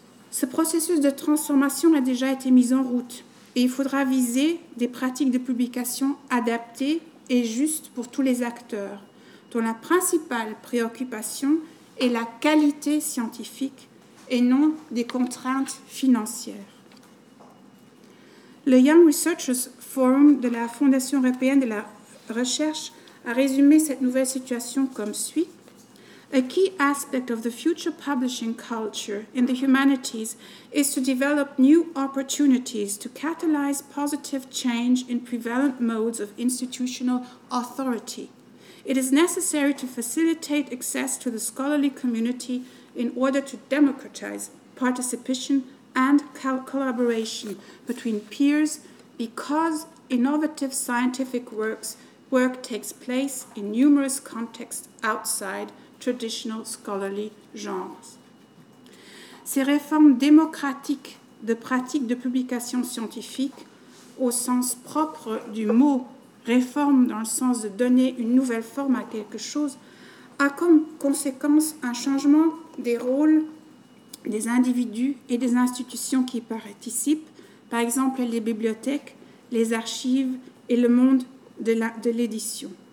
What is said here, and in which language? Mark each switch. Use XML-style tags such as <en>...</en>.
<fr>Ce processus de transformation a déjà été mis en route et il faudra viser des pratiques de publication adaptées et justes pour tous les acteurs, dont la principale préoccupation est la qualité scientifique et non des contraintes financières. Le Young Researchers Forum de la Fondation européenne de la recherche a résumé cette nouvelle situation comme suit.</fr> <en>A key aspect of the future publishing culture in the humanities is to develop new opportunities to catalyze positive change in prevalent modes of institutional authority. It is necessary to facilitate access to the scholarly community in order to democratize participation and collaboration between peers because innovative scientific work takes place in numerous contexts outside traditional scholarly genres.</en> <fr>Ces réformes démocratiques de pratiques de publication scientifique, au sens propre du mot réforme dans le sens de donner une nouvelle forme à quelque chose, a comme conséquence un changement des rôles des individus et des institutions qui y participent, par exemple les bibliothèques, les archives et le monde de l'édition.</fr>